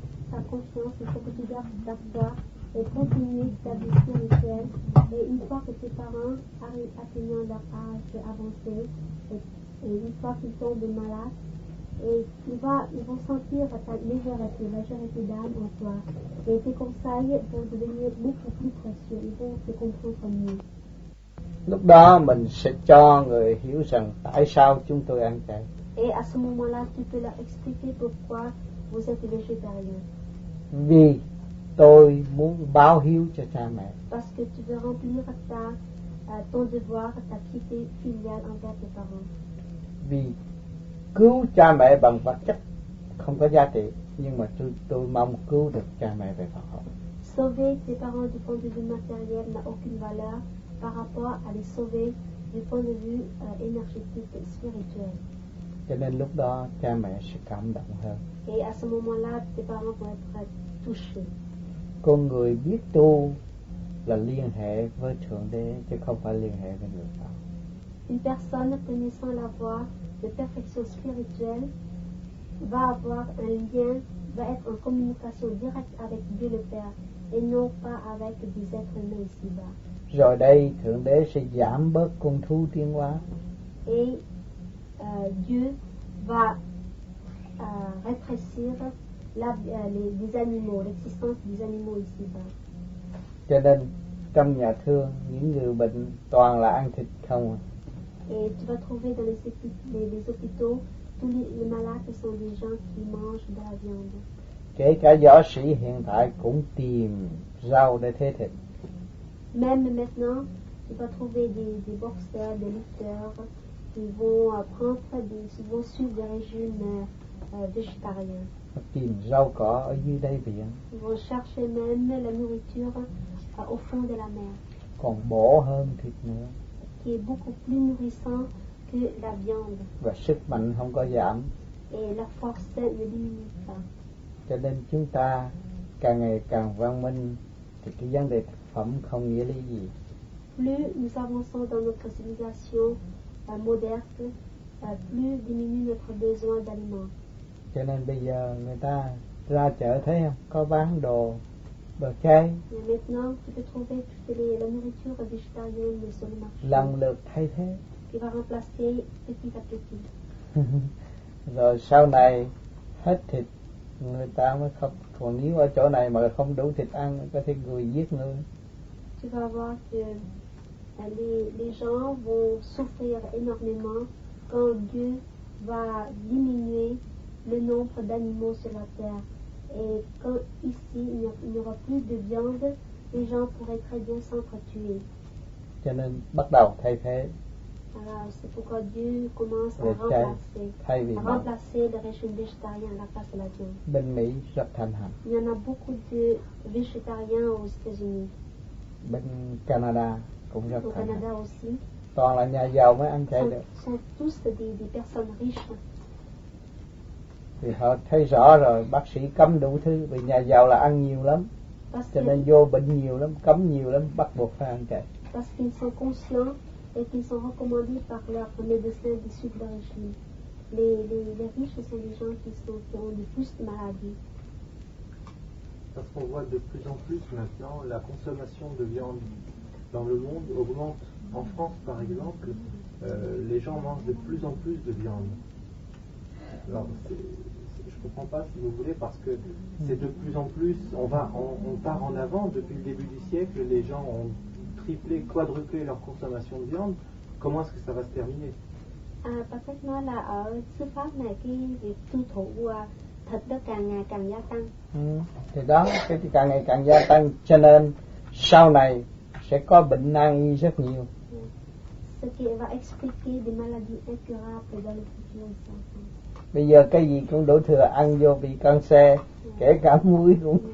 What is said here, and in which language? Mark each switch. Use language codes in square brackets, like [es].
[fr] Ta conscience, il faut que tu gardes ta voix et continuer sa vie spirituelle, et une fois que ses parents arrivent atteignant leur âge avancé, et une fois qu'ils tombent malades, et ils vont sentir ta légèreté, la légèreté d'âme en toi. Et tes conseils vont devenir beaucoup plus précieux, ils vont te comprendre mieux. [vi] Lúc đó mình sẽ cho người hiểu rằng tại sao chúng tôi ăn chay. [fr] Et à ce moment-là, tu peux leur expliquer pourquoi vous êtes végétarien. [vi] Vì tôi muốn báo hiếu cho cha mẹ. [fr] Parce que tu veux remplir ta, ton devoir, ta piété filiale envers tes parents. [vi] Vì cứu cha mẹ bằng vật chất không có giá trị, nhưng mà tôi mong cứu được cha mẹ về phần hồn. [fr] Sauver tes parents du point de vue matériel n'a aucune valeur par rapport à les sauver du point de vue énergétique et spirituel. [vi] Cho nên lúc đó cha mẹ sẽ cảm động hơn. [fr] Et à ce moment-là, tes parents vont être touchés. [vi] Con người biết tu là liên hệ với Thượng Đế chứ không phải liên hệ với người ta. [fr] Une personne connaissant la voie de perfection spirituelle va avoir un lien, va être en communication directe avec Dieu le Père et non pas avec des êtres humains ici-bas. [vi] Rồi đây Thượng Đế sẽ giảm bớt con thú tiến hóa. [fr] Et Dieu va rétrécir les animaux, l'existence des animaux ici-bas. [vi] Cho nên trong nhà thương những người bệnh toàn là ăn thịt không. [fr] Et tu vas trouver dans les hôpitaux tous les malades sont des gens qui mangent de la viande. [vi] Kể cả võ sĩ hiện tại cũng tìm rau để thế thịt. [fr] Même maintenant, tu vas trouver des boxeurs, des lutteurs qui vont prendre vont suivre des régimes végétariens. [vi] Tìm rau cỏ ở dưới đáy biển. [fr] Ils vont chercher même la nourriture au fond de la mer. [vi] Còn bổ hơn thịt nữa. [fr] Qui est beaucoup plus nourrissant que la viande. [vi] Và sức mạnh không có giảm. [fr] Et la force ne diminue pas. [vi] Cho nên chúng ta càng ngày càng văn minh thì cái vấn đề thực phẩm không nghĩa lý gì. [fr] Plus nous avançons dans notre civilisation moderne, plus diminue notre besoin d'aliments. [vi] Cho nên bây giờ người ta ra chợ thấy không? Có bán đồ, đồ chay. [fr] Et maintenant, tu peux trouver toute la nourriture végétarienne sur le marché. [vi] Lần lượt thay thế. [fr] Qui va remplacer petit à petit. [vi] Rồi sau này, hết thịt, người ta mới không. Còn nếu ở chỗ này mà không đủ thịt ăn, có thể người giết nữa. [fr] Tu vas voir que les gens vont souffrir énormément quand Dieu va diminuer le nombre d'animaux sur la terre. Et quand ici il n'y aura plus de viande, les gens pourraient très bien s'entretuer. [vi] Cho nên bắt đầu thay thế. [fr] Alors, c'est pourquoi Dieu commence à remplacer le régime végétarien à la place de la viande. [vi] Bên Mỹ rất thành hẳn. [fr] Il y en a beaucoup de végétariens aux États-Unis. [vi] Bên Canada cũng rất thành hẳn. [fr] Au Canada aussi. [vi] Toàn là nhà giàu mới ăn chay được. [fr] Sont tous des personnes riches. [vi] Thì họ thấy rõ rồi, bác sĩ cấm đủ thứ, vì nhà giàu là ăn nhiều lắm. Cho nên vô bệnh nhiều lắm, cấm nhiều lắm, bắt buộc phải ăn chay. [fr] Parce qu'ils sont conscients et qu'ils sont recommandés par leurs médecins du sud de la région. Les riches sont les gens qui ont le plus de maladies. Parce qu'on voit de plus en plus maintenant, la consommation de viande dans le monde augmente. En France, par exemple, les gens mangent de plus en plus de viande. Alors, je ne comprends pas si vous voulez, parce que c'est de plus en plus, on part en avant depuis le début du siècle, les gens ont triplé, quadruplé leur consommation de viande. Comment est-ce que ça va se terminer? Parce que [vi] nói là ở xứ Pháp này cái việc tiêu thụ thịt nó càng ngày càng gia tăng. Thì đó, cái càng ngày càng gia tăng, cho nên sau này sẽ có bệnh nan y rất nhiều. [fr] Ce qui va expliquer des maladies incurables dans le futur. [vi] Bây giờ cái gì cũng đổ thừa ăn vô bị căng xe, kể cả muối cũng.